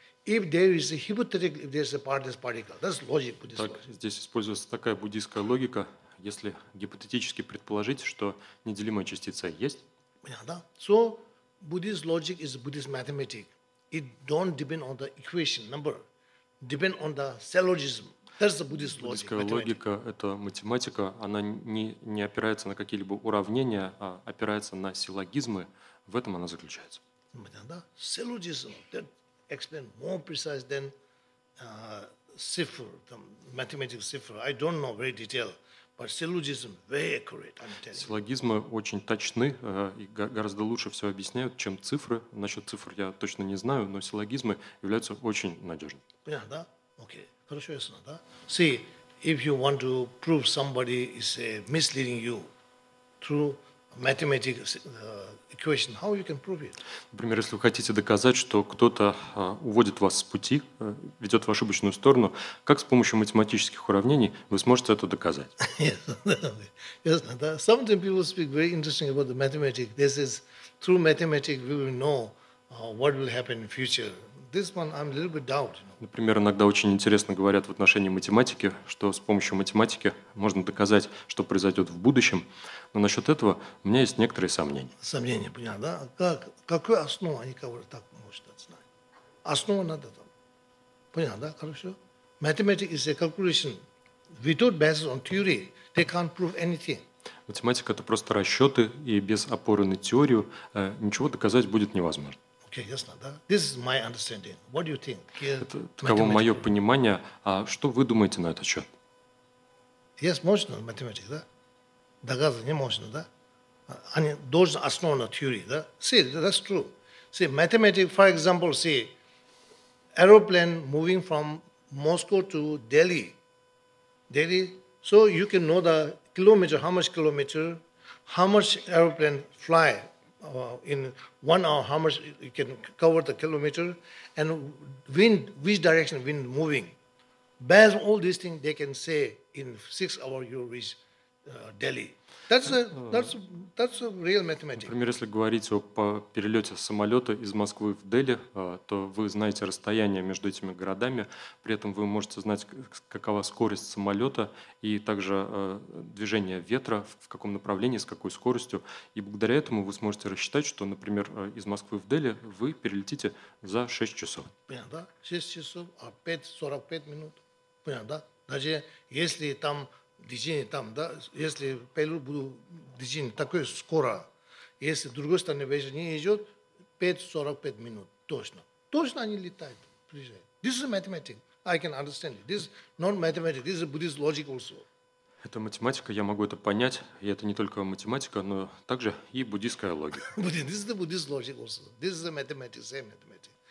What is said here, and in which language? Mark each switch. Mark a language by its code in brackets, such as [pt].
[en] If there is a hypothetical, if there is a partless particle, that's logic, Buddhist [ru] так, [en] logic. [ru] Здесь используется такая буддийская логика, если гипотетически предположить, что неделимая частица есть. Понятно, да? [en] So Buddhist logic is Buddhist mathematics. It don't depend on the equation number, depend on the syllogism. That's the Buddhist logic. [ru] Буддийская логика – это математика, она не опирается на какие-либо уравнения, а опирается на силлогизмы. В этом она заключается. Понятно, да? [en] Syllogism that explain more precise than cipher, the mathematical cipher. I don't know very detail, but syllogism very accurate. I'm telling you. [ru] Силлогизмы очень точны и гораздо лучше все объясняют, чем цифры. Насчет цифр я точно не знаю, но силлогизмы являются очень надежными. Понятно, да? Okay. Хорошо, ясно, да? [en] See, if you want to prove somebody is misleading you through mathematics equation, how you can prove it? [ru] Например, если вы хотите доказать, что кто-то уводит вас с пути, ведет в ошибочную сторону, как с помощью математических уравнений вы сможете это доказать? [en] Yes, yes. Sometimes people speak very interesting about the mathematics. This is through mathematics we will know what will happen in future. This one I'm a little bit doubt. [ru] Например, иногда очень интересно говорят в отношении математики, что с помощью математики можно доказать, что произойдет в будущем. Но насчет этого у меня есть некоторые сомнения. Сомнения, понятно, да? Какую основу они говорят, так может знать? Основа надо там. Понятно, да? Хорошо? [en] Mathematics is a calculation. Without basis on theory, they can't prove anything. [ru] Математика – это просто расчеты, и без опоры на теорию ничего доказать будет невозможно. [en] Okay, [ru] ясно, да? [en] This is my understanding. What do you think? [ru] Это таково мое понимание. А что вы думаете на этот счет? Yes, можно математика, да? Доказать не можно, да? Они должны основаны на теории, да? [en] See, that's true. See, mathematics, for example, see, aeroplane moving from Moscow to Delhi. Delhi, so you can know the kilometer, how much aeroplane fly. In 1 hour, how much you can cover the kilometer, and wind, which direction wind moving. Based on all these things, they can say in 6 hours you reach Delhi. That's a real mathematics. [ru] Например, если говорить о перелете самолета из Москвы в Дели, то вы знаете расстояние между этими городами, при этом вы можете знать, какова скорость самолета и также движение ветра, в каком направлении, с какой скоростью. И благодаря этому вы сможете рассчитать, что, например, из Москвы в Дели вы перелетите за 6 часов. Понятно, да? 6 часов, а 45 минут. Понятно, да? Даже если там... Движение там, да, если перелет будет движение такое скоро, если с другой стороны вечер не идет, 5-45 минут, точно. Точно они летают, приезжают. [en] This is mathematics, I can understand it. This is not mathematics, this is Buddhist logic also. [ru] Это математика, я могу это понять, и это не только математика, но также и буддийская логика. [en] This is the Buddhist logic also, this is the mathematics, same mathematics.